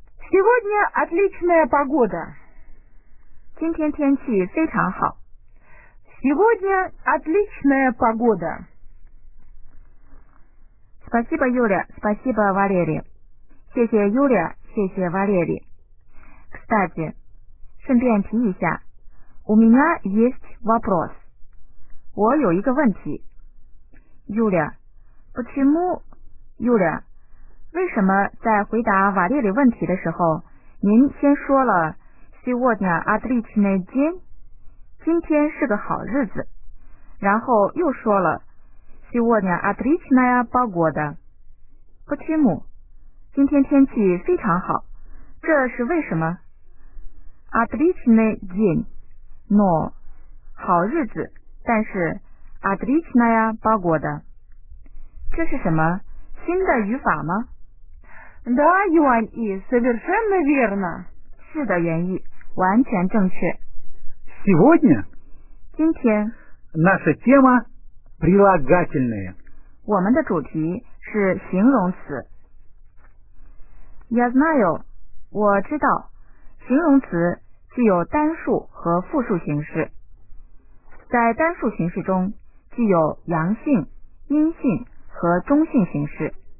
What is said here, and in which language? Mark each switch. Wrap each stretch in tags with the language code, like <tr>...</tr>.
<ru>Сегодня отличная погода.</ru> <zh>今天天气非常好.</zh> <ru>Сегодня отличная погода. Спасибо, Юля, спасибо, Валерий.</ru> <zh>谢谢, Юля, 谢谢, Валерий.</zh> <ru>Кстати,</ru> <zh>顺便提一下,</zh> <ru>у меня есть вопрос.</ru> <zh>我有一个问题.</zh> <ru>Юля, почему...</ru> <zh>Юля, 为什么在回答瓦列里问题的时候您先说了</zh> <ru>сегодня отличный день,</ru> <zh>今天是个好日子, 然后又说了</zh> <ru>сегодня отличная погода, почему,</ru> <zh>今天天气非常好, 这是为什么?</zh> <ru>Отличный день, но</ru> <zh>好日子, 但是</zh> <ru>отличная погода,</ru> <zh>这是什么? 新的语法吗?</zh> <ru>Да, Юань И, совершенно верно.</ru> <zh>是的, Юань И, 完全正确.</zh> <ru>Сегодня?</ru> <zh>今天.</zh> <ru>Наша тема прилагательная.</ru> <zh>我们的主题是形容词.</zh> <ru>Я знаю,</ru> <zh>我知道, 形容词具有单数和复数形式. 在单数形式中, 具有阳性、阴性和中性形式.</zh>